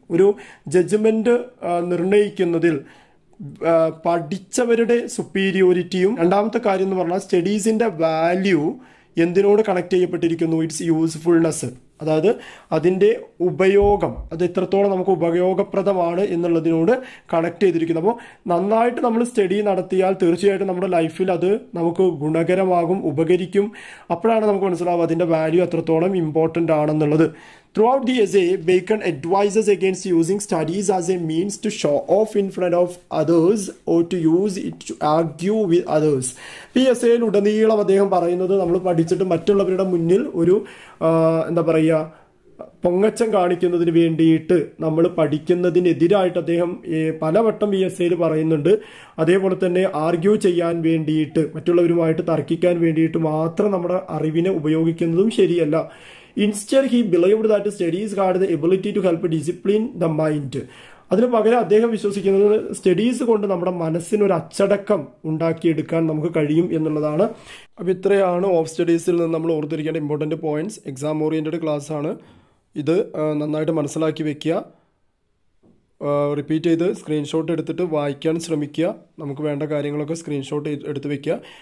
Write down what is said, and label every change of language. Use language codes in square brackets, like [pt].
[ml] ഒരു ജഡ്ജ്മെൻറ്റ് നിർണയിക്കുന്നതിൽ പഠിച്ചവരുടെ സുപ്പീരിയോറിറ്റിയും, രണ്ടാമത്തെ കാര്യം എന്ന് പറഞ്ഞാൽ സ്റ്റഡീസിൻ്റെ വാല്യൂ എന്തിനോട് കണക്ട് ചെയ്യപ്പെട്ടിരിക്കുന്നു, ഇറ്റ്സ് യൂസ്ഫുൾനെസ്, അതായത് അതിൻ്റെ ഉപയോഗം, അത് എത്രത്തോളം നമുക്ക് ഉപയോഗപ്രദമാണ് എന്നുള്ളതിനോട് കണക്ട് ചെയ്തിരിക്കുന്നു. അപ്പോൾ നന്നായിട്ട് നമ്മൾ സ്റ്റഡി നടത്തിയാൽ തീർച്ചയായിട്ടും നമ്മുടെ ലൈഫിൽ അത് നമുക്ക് ഗുണകരമാകും, ഉപകരിക്കും. അപ്പോഴാണ് നമുക്ക് മനസ്സിലാവുക അതിൻ്റെ വാല്യൂ എത്രത്തോളം ഇമ്പോർട്ടൻ്റ് ആണെന്നുള്ളത്. [en] Throughout the essay, Bacon advises against using studies as a means to show off in front of others or to use it to argue with others. [ml] ഈ എസ്സേയിൽ ഉടനീളം അദ്ദേഹം പറയുന്നത് നമ്മൾ പഠിച്ചിട്ട് മറ്റുള്ളവരുടെ മുന്നിൽ ഒരു എന്താ പറയുക, പൊങ്ങച്ചം കാണിക്കുന്നതിന് വേണ്ടിയിട്ട് നമ്മൾ പഠിക്കുന്നതിനെതിരായിട്ട് അദ്ദേഹം പലവട്ടം ഈ എസ്സേയിൽ പറയുന്നുണ്ട്. അതേപോലെ തന്നെ ആർഗ്യൂ ചെയ്യാൻ വേണ്ടിയിട്ട്, മറ്റുള്ളവരുമായിട്ട് തർക്കിക്കാൻ വേണ്ടിയിട്ട് മാത്രം നമ്മുടെ അറിവിനെ ഉപയോഗിക്കുന്നതും ശരിയല്ല. [en] Instead, he believed that studies had the ability to help discipline the mind. [ml] അതിന് പകരം അദ്ദേഹം വിശ്വസിക്കുന്നത് സ്റ്റഡീസ് കൊണ്ട് നമ്മുടെ മനസ്സിനൊരു അച്ചടക്കം ഉണ്ടാക്കിയെടുക്കാൻ നമുക്ക് കഴിയും എന്നുള്ളതാണ്. അപ്പോൾ ഇത്രയാണ് ഓഫ് സ്റ്റഡീസിൽ നിന്ന് നമ്മൾ ഓർത്തിരിക്കേണ്ട ഇമ്പോർട്ടൻറ്റ് പോയിൻറ്റ്സ്. എക്സാം ഓറിയൻറ്റഡ് ക്ലാസ്സാണ് ഇത്, നന്നായിട്ട് മനസ്സിലാക്കി വയ്ക്കുക, റിപ്പീറ്റ് ചെയ്ത് സ്ക്രീൻഷോട്ട് എടുത്തിട്ട് വായിക്കാൻ ശ്രമിക്കുക, നമുക്ക് വേണ്ട കാര്യങ്ങളൊക്കെ സ്ക്രീൻഷോട്ട് എടുത്ത് വയ്ക്കുക.